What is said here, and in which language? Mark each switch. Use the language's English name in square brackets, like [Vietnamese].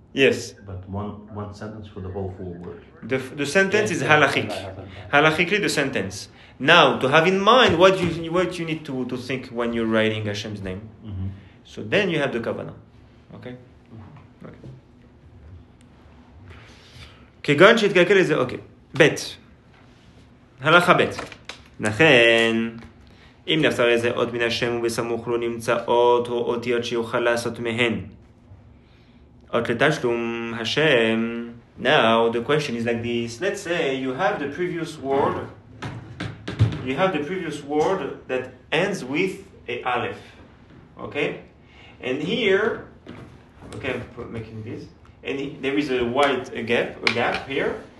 [English] Yes. But one sentence for the whole four words. The sentence is halachic. Halachically, the sentence. Now, to have in mind what you need to think when you're writing Hashem's name. Mm-hmm. So then you have the Kavanah. Okay? [Hebrew] כגון שהתקלקל איזה, אוקיי. בית. הלכה בית. לכן, אם נפטר איזה אות מן השם ובסמוך לו נמצאות או אותיות שיוכל לעשות מהן. אות לתשלום השם. [English] Now the question is like this. Let's say you have the previous word. You have the previous word that ends with a Aleph. Okay? And here, okay, I'm making this. And there is a gap here.